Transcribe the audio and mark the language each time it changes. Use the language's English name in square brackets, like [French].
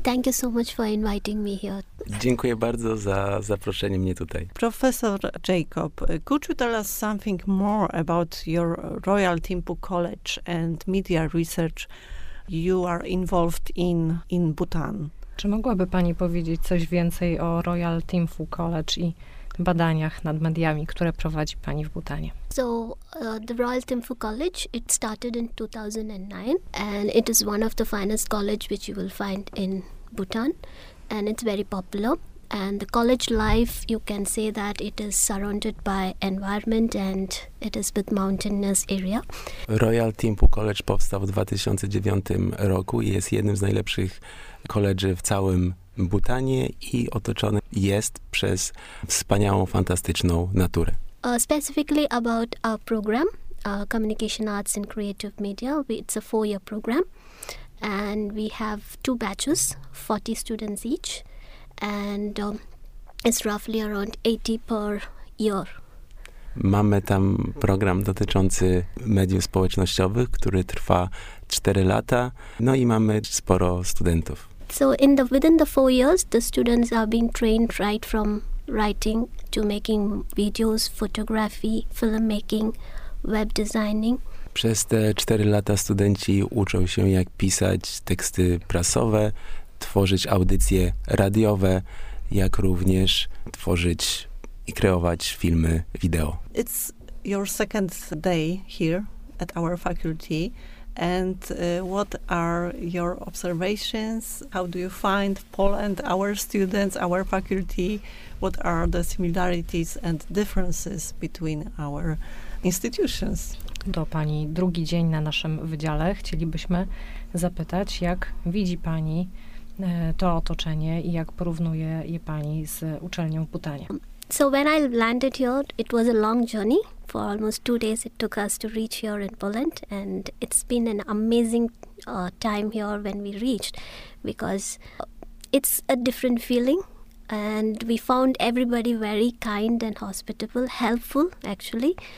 [English] Thank you so much for inviting me here. [Polish] Dziękuję bardzo za zaproszenie mnie tutaj. [English] Profesor Jacob, could you tell us something more about your Royal Thimphu College and media research you are involved in Bhutan? [Polish] Czy mogłaby pani powiedzieć coś więcej o Royal Thimphu College i badaniach nad mediami, które prowadzi pani w Butanie? [English] So the Royal Thimphu College, it started in 2009 and it is one of the finest college which you will find in Bhutan and it's very popular and the college life, you can say that it is surrounded by environment and it is with mountainous area. [Polish] Royal Thimphu College powstał w 2009 roku i jest jednym z najlepszych koledży w całym Butanie i otoczony jest przez wspaniałą, fantastyczną naturę. [English] Specifically about our program, Communication Arts and Creative Media. It's a 4-year program and we have 2 batches, 40 students each, and it's roughly around 80 per year. [Polish] Mamy tam program dotyczący mediów społecznościowych, który trwa 4 lata, no i mamy sporo studentów. [English] So within the 4 years, the students are being trained right from writing to making videos, photography, filmmaking, web designing. [Polish] Przez te 4 lata studenci uczą się, jak pisać teksty prasowe, tworzyć audycje radiowe, jak również tworzyć i kreować filmy wideo. [English] It's your second day here at our faculty. And what are your observations? How do you find Poland, our students, our faculty? What are the similarities and differences between our institutions? [Polish] Do pani drugi dzień na naszym wydziale. Chcielibyśmy zapytać, jak widzi pani to otoczenie i jak porównuje je pani z uczelnią w Butanie? [English] So when I landed here, it was a long journey. For almost 2 days it took us to reach here in Poland and it's been an amazing time here when we reached because it's a different feeling and we found everybody very kind and hospitable, helpful actually.